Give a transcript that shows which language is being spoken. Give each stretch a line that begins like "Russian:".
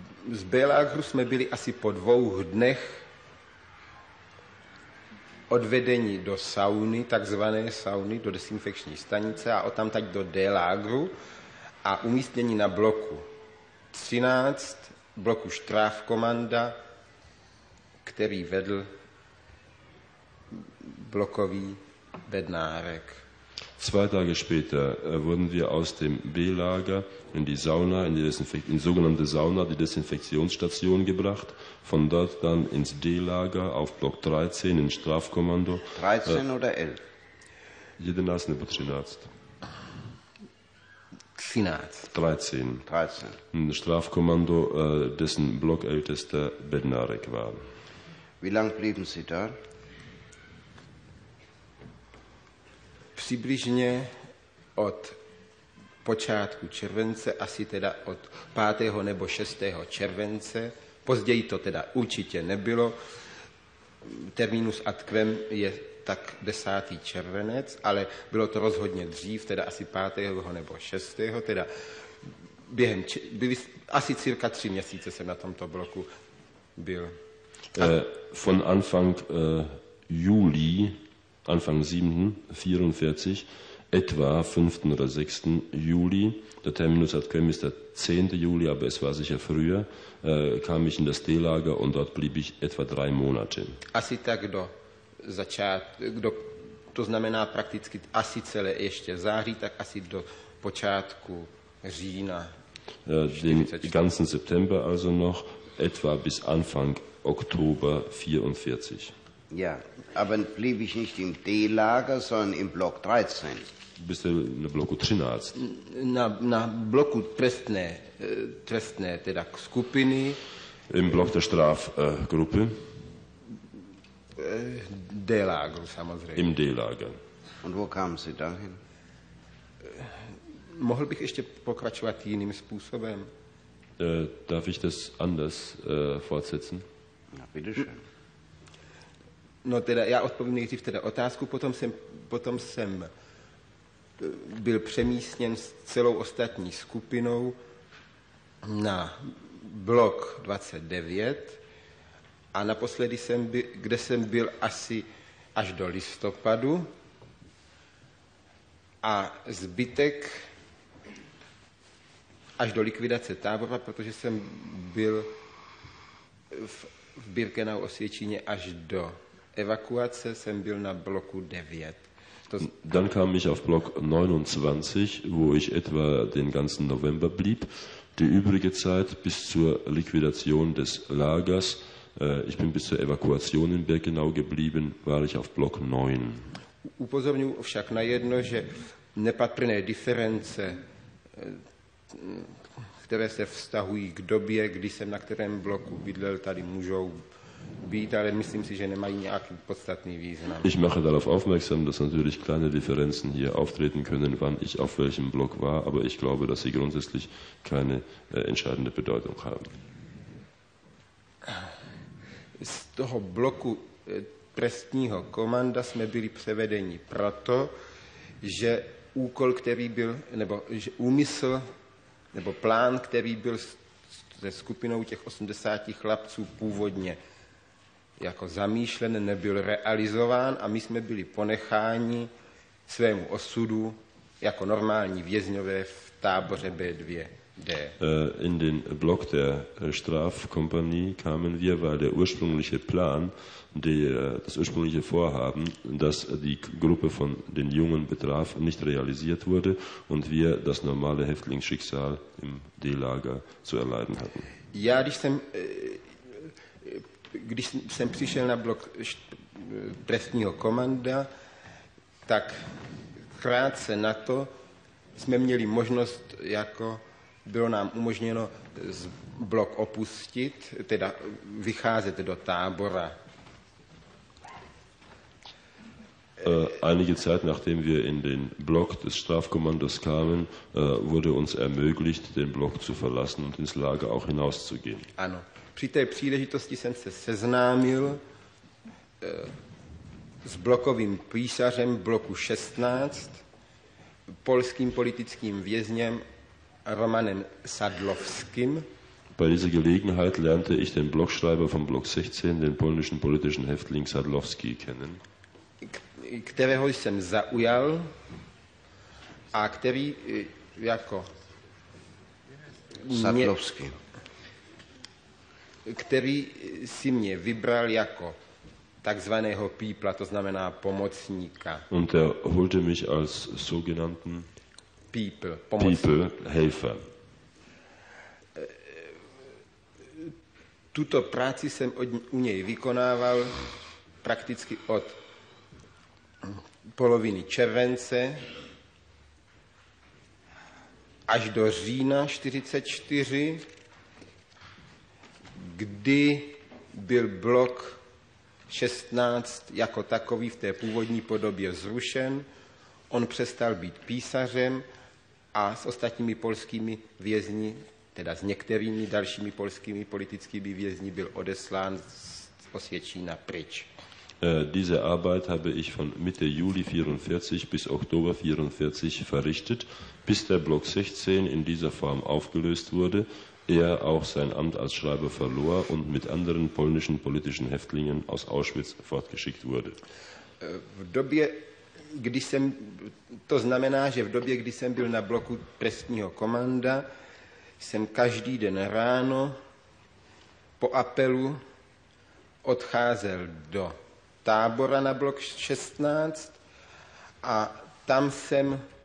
Czech: Z Belágru jsme byli asi po dvou dnech odvedeni do sauny, takzvané sauny, do desinfekční stanice a odtamtud do Délágru a umístění na bloku 13, bloku Strafkommanda, který vedl blokový Bednárek.
German: Zwei Tage später wurden wir aus dem B-Lager in die Sauna, in die sogenannte Sauna, die Desinfektionsstation gebracht, von dort dann ins D-Lager auf Block 13 in Strafkommando. 13 oder 11?
Czech: Jede Nase nebo 13.
German: 13. Ein Strafkommando, dessen Blockältester Bednarek war. Wie lange blieben Sie da?
Czech: Přibližně od počátku července, asi teda od 5. nebo 6. července, později to teda určitě nebylo, terminus ad quem je tak 10. červenec, ale bylo to rozhodně dřív, teda asi 5. nebo 6. teda během, byli asi cirka 3 měsíce jsem na tomto bloku byl.
German: Von Anfang Juli, Anfang 7.44, etwa 5. oder 6. Juli, der Terminus ad quem ist der 10. Juli, aber es war sicher früher, kam ich in das D-Lager und dort blieb ich etwa 3 Monate.
Czech: Asi tak do začátku, to znamená prakticky asi celé ještě září, tak asi do počátku října.
German: Den ganzen September also noch, etwa bis Anfang Oktober 1944. Ja, aber blieb ich nicht im D-Lager, sondern im Block 13. Bist du
Czech: na bloku 13? Na bloku trestné, teda skupiny.
German: Im Block der Strafgruppe.
Czech: D-Lager, samozřejmě.
German: Im D-Lager. Und wo kamen Sie dahin?
Czech: Mohl bych ještě pokračovat jiným způsobem?
German: Darf ich das anders fortsetzen? Na, bitte schön.
Czech: No teda, já odpovím nejdřív teda otázku, potom jsem byl přemístěn s celou ostatní skupinou na blok 29 a naposledy jsem byl asi až do listopadu a zbytek až do likvidace tábora, protože jsem byl v Birkenau Osvětíně až do evakuace, jsem byl na bloku 9.
German: Dann kam ich auf Block 29, wo ich etwa den ganzen November blieb. Die übrige Zeit bis zur Liquidation des Lagers, ich bin bis zur Evakuation in Birkenau geblieben, war ich auf Block 9.
Czech: Upozorňuji však na jedno, že nepatrné diference, které se vztahují k době, kdy jsem na kterém bloku bydlel, tady můžou být, ale myslím si, že nemají nějaký podstatný význam.
German: Ich mache darauf aufmerksam, dass natürlich kleine Differenzen hier auftreten können, wann ich auf welchem Block war, aber ich glaube, dass sie grundsätzlich keine entscheidende Bedeutung haben.
Czech: Z toho bloku trestního komanda jsme byli převedeni proto, že úkol, který byl, nebo že úmysl, nebo plán, který byl se skupinou těch 80 chlapců původně jako zamýšlen, nebyl realizován a my jsme byli ponecháni svému osudu jako normální vězňové v táboře B2D.
German: In den Block der Strafkompanie kamen wir, weil der ursprüngliche Plan, das ursprüngliche Vorhaben, das die Gruppe von den Jungen betraf, nicht realisiert wurde und wir das normale Häftlingsschicksal im D-Lager zu erleiden hatten.
Czech: Ja, když jsem přišel na blok trestního komanda, tak krátce na to jsme měli možnost, jako bylo nám umožněno z blok opustit, teda vycházet do tábora.
German: Einige Zeit, nachdem wir in den Block des Strafkommandos kamen, wurde uns ermöglicht, den Block zu verlassen und ins Lager auch hinauszugehen.
Czech: Ano. Při té příležitosti jsem se seznámil s blokovým písařem bloku 16, polským politickým vězněm Romanem Sadlovským.
German: Bei dieser Gelegenheit lernte ich den Blockschreiber vom Block 16, den polnischen politischen Häftling Sadlovský, kennen.
Czech: Kterého jsem zaujal a který jako Sadlovský. Který si mě vybral jako takzvaného pípla, to znamená pomocníka.
German: Und er holte mich als sogenannten People, Helfer.
Czech: Tuto práci jsem u něj vykonával prakticky od poloviny července až do října 44. Kdy byl blok 16 jako takový v té původní podobě zrušen, on přestal být písařem a s ostatními polskými vězni, teda s některými dalšími polskými politickými vězni, byl odeslán z Osvětína pryč.
German: Diese Arbeit habe ich von Mitte Juli 44 bis Oktober 44 verrichtet, bis der Block 16 in dieser Form aufgelöst wurde. Er auch sein Amt als Schreiber verlor und mit anderen polnischen politischen Häftlingen aus Auschwitz fortgeschickt wurde.
Czech: V době, když jsem, to znamená, že v době, kdy jsem byl na bloku trestního komanda, jsem každý den ráno po apelu odcházel do tábora na blok 16 a tam jsem